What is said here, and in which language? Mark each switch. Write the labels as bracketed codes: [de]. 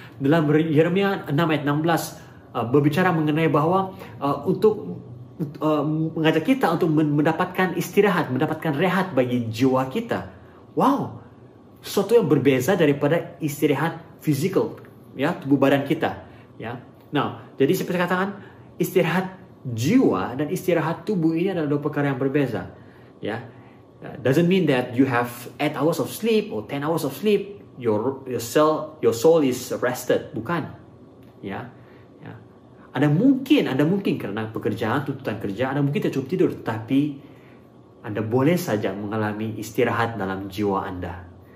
[ms] Dalam Yeremia 6 ayat 16 berbicara mengenai bahwa untuk mengajak kita untuk mendapatkan istirahat, mendapatkan rehat bagi jiwa kita. Wow, sesuatu yang berbeza daripada istirahat physical, ya, tubuh badan kita, ya. Nah, jadi seperti katakan, istirahat jiwa dan istirahat tubuh ini adalah dua perkara yang berbeza. [en] Ya, doesn't mean that you have 8 hours of sleep or 10 hours of sleep, your soul is rested. [ms] Bukan. Ya. Anda mungkin karena pekerjaan, tuntutan kerja, Anda mungkin cukup tidur, tapi Anda boleh saja mengalami istirahat dalam jiwa Anda.